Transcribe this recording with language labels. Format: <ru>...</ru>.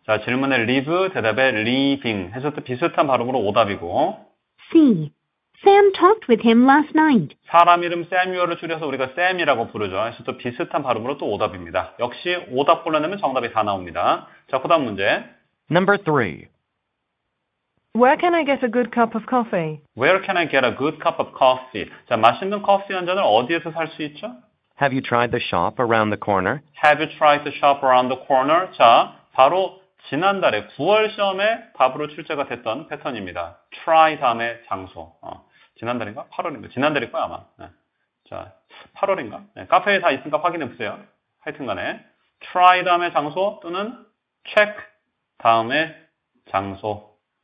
<ko>자, 질문에 leave, 대답에 leaving 해서 또 비슷한 발음으로 오답이고</ko> <en>C. Sam talked with him last night.</en> <ko>사람 이름 Samuel을 줄여서 우리가 Sam이라고 부르죠. 그래서 또 비슷한 발음으로 또 오답입니다. 역시 오답 골라내면 정답이 다 나옵니다. 자, 그 다음 문제.</ko> <en>Number 3. Where can I get a good cup of coffee? Where can I get a good cup of coffee?</en> <ko>자, 맛있는 커피 한 잔을 어디에서 살 수 있죠?</ko> <en>Have you tried the shop around the corner? Have you tried the shop around the corner?</en> <ko>자, 바로 지난달에 9월 시험에 답으로 출제가 됐던 패턴입니다. try 다음에 장소. 지난달인가? 8월인가? 지난달일 거야, 아마. 네. 자, 8월인가? 네, 카페에 다 있으니까 확인해 보세요. 하여튼 간에. try 다음에 장소 또는 check 다음에 장소.</ko>